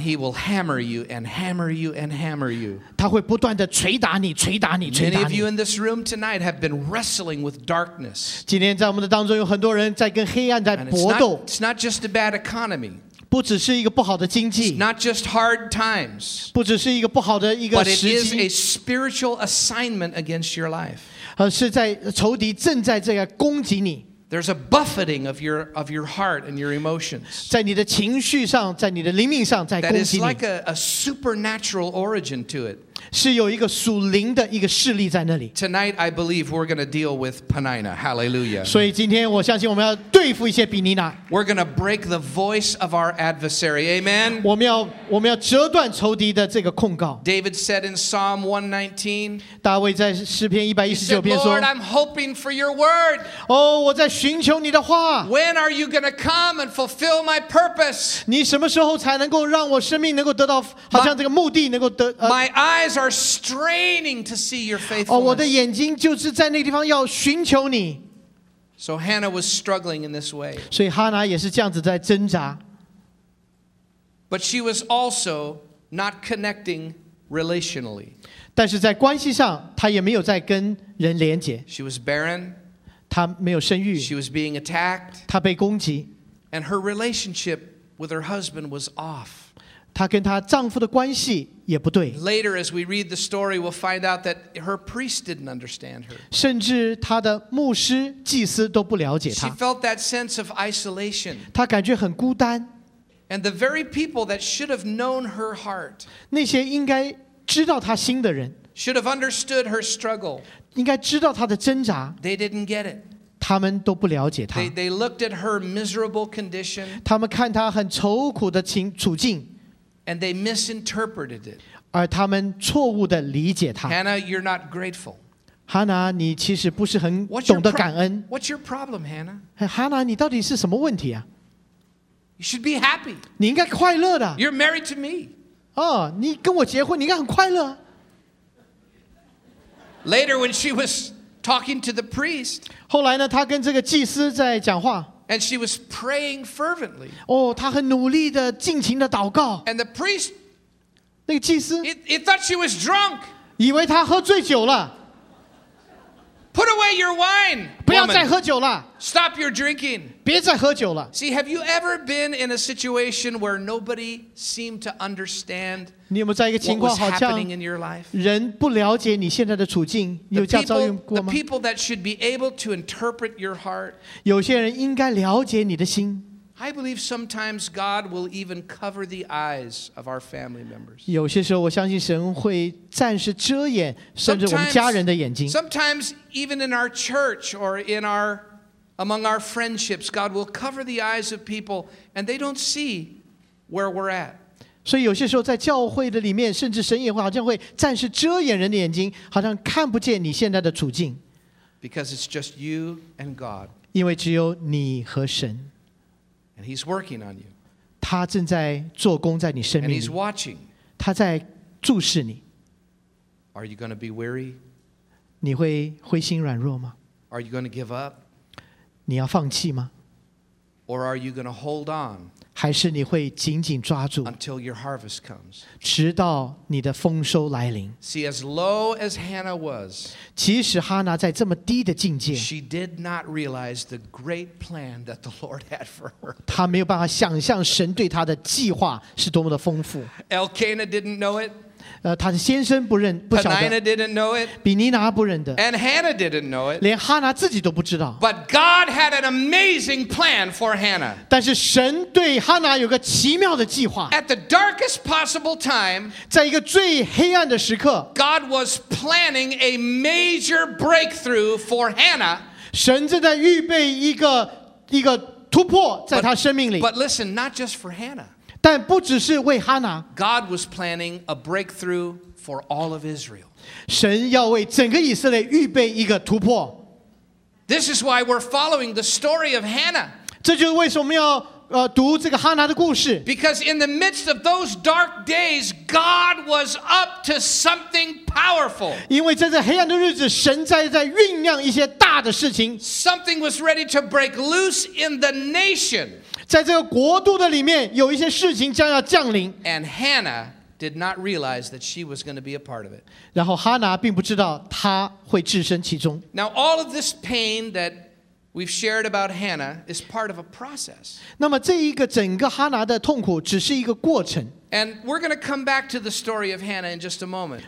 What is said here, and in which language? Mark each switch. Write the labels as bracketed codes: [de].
[en] And he will hammer you and hammer you and hammer you. [zh] 他会不断地捶打你，捶打你，捶打你。 [en] Many of you in this room tonight have been wrestling with darkness. [zh] 今天在我们的当中有很多人在跟黑暗在搏斗。 [en] And it's not just a bad economy. [zh] 不只是一个不好的经济 [en] It's not just hard times, [zh] 不只是一个不好的一个时机 [en] but it is a spiritual assignment against your life. [zh] 是在仇敌正在这个攻击你 [en] There's a buffeting of your heart and your emotions. [zh] 在你的情绪上在你的灵命上在攻击你 [en] That is like a supernatural origin to it. [zh] 是有一个属灵的一个势力在那里 [en] Tonight I believe we're going to deal with Peninnah. Hallelujah. [zh] 所以今天我相信我们要对付一些比尼拿 [en] We're going to break the voice of our adversary. Amen. [zh] 我们要折断仇敌的这个控告 [en] David said in Psalm 119. [zh] 大卫在诗篇119篇说 [en] Lord, I'm hoping for your word. [zh] 我在寻求你的话 [en] When are you going to come and fulfill my purpose? [zh] 你什么时候才能够让我生命能够得到好像这个目的能够得 [en] My eyes are straining to see your faithfulness. [zh] 我的眼睛就是在那个地方要寻求你 [en] So Hannah was struggling in this way. [zh] 所以哈拿也是这样子在挣扎 [en] But she was also not connecting relationally. [zh] 但是在关系上她也没有在跟人连接 [en] She was barren. [zh] 她没有生育 [en] She was being attacked. [zh] 她被攻击 [en] And her relationship with her husband was off. [zh] 她跟她丈夫的关系也不对 [en] Later, as we read the story, we'll find out that her priest didn't understand her. [zh] 甚至她的牧师、祭司都不了解她。 [en] She felt that sense of isolation. [zh] 她感觉很孤单。 [en] And the very people that should have known her heart. [zh] 那些应该知道她心的人。 [en] Should have understood her struggle. [zh] 应该知道她的挣扎。 [en] They didn't get it. [zh] 他们都不了解她。 [en] They looked at her miserable condition. [zh] 他们看她很愁苦的处境。 [en] And they misinterpreted it. [zh] 而他们错误地理解他。 [en] Hannah, you're not grateful. [zh] Hannah, 你其实不是很懂得感恩。 [en] What's your problem, Hannah? [zh] Hannah, 你到底是什么问题啊？ [en] You should be happy. [zh] 你应该快乐的。 [en] You're married to me. [zh] 哦，你跟我结婚，你应该很快乐。 [en] Later, when she was talking to the priest, [zh] 后来呢，她跟这个祭司在讲话。 [en] And she was praying fervently. [zh] 哦，她很努力地尽情地祷告。 [en] And the priest. [zh] 那个祭司 [en] he thought she was drunk. [zh] 以为他喝醉酒了。 [en] Put away your wine. [zh] 不要再喝酒了。 [en] Stop your drinking. [zh] 别再喝酒了。 [en] See, have you ever been in a situation where nobody seemed to understand? [zh] 你有没有在一个情况好像人不了解你现在的处境？有这样遭遇过吗？ [en] The people that should be able to interpret your heart. [zh] 有些人应该了解你的心。 [en] I believe sometimes God will even cover the eyes of our family members. [zh] 有些时候我相信神会暂时遮掩甚至我们家人的眼睛。 [en] Sometimes even in our church or in our among our friendships, God will cover the eyes of people and they don't see where we're at. [zh] 所以有些时候在教会的里面甚至神也会好像会暂时遮掩人的眼睛好像看不见你现在的处境。 [en] Because it's just you and God. [zh] 因为只有你和神。 [en] And he's working on you. [zh] 他正在做工在你生命里。 [en] And he's watching. [zh] 他在注视你。 [en] Are you going to be weary? [zh] 你会灰心软弱吗？ [en] Are you going to give up? [zh] 你要放弃吗？ [en] Or are you going to hold on? [zh] 还是你会紧紧抓住？ [en] Until your harvest comes. [zh] 直到你的丰收来临。 [en] See, as low as Hannah was, [zh] 即使哈拿在这么低的境界， [en] she did not realize the great plan that the Lord had for her. [zh] 她没有办法想象神对她的计划是多么的丰富。 [en] Elkanah didn't know it. [zh] 她的先生不认，不晓得。 [en] Peninnah didn't know it. [zh] 比尼拿不认得。 [en] And Hannah didn't know it. [zh] 连哈拿自己都不知道。 [en] But God had an amazing plan for Hannah. [zh] 但是神对哈拿有个奇妙的计划。 [en] At the darkest possible time, [zh] 在一个最黑暗的时刻， [en] God was planning a major breakthrough for Hannah. [zh] 神正在预备一个突破在她生命里。 [en] But listen, not just for Hannah. [zh] 但不只是为哈拿。 [en] God was planning a breakthrough for all of Israel. [zh] 神要为整个以色列预备一个突破。 [en] This is why we're following the story of Hannah. [zh] 这就是为什么我们要读这个哈拿的故事。 [en] Because in the midst of those dark days, God was up to something powerful. [zh] 因为在这黑暗的日子，神在酝酿一些大的事情。 [en] Something was ready to break loose in the nation. [zh] 在这个国度的里面有一些事情将要降临。 [en] And Hannah did not realize that she was going to be a part of it. [zh] 然后哈拿并不知道她会置身其中。 [en] Now all of this pain that we've shared about Hannah is part of a process. [zh] 那么这一个整个哈拿的痛苦只是一个过程。 [en] And we're going to come back to the story of Hannah in just a moment.